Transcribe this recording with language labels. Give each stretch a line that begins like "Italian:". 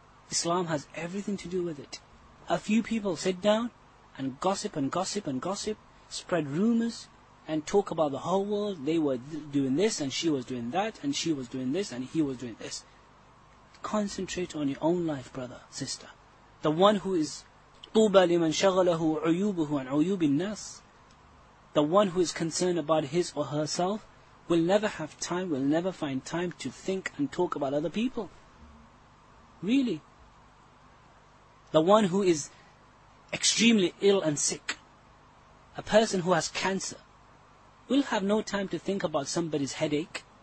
English: Islam has everything to do with it. A few people sit down and gossip and gossip and gossip, spread rumors and talk about the whole world. They were doing this and she was doing that and she was doing this and he was doing this. Concentrate on your own life, brother, sister. The one who is
Arabic: طوبى لمن شغله عيوبه عن عيوب الناس.
English: The one who is concerned about his or herself will never have time, will never find time to think and talk about other people. Really. The one who is extremely ill and sick, a person who has cancer, will have no time to think about somebody's headache.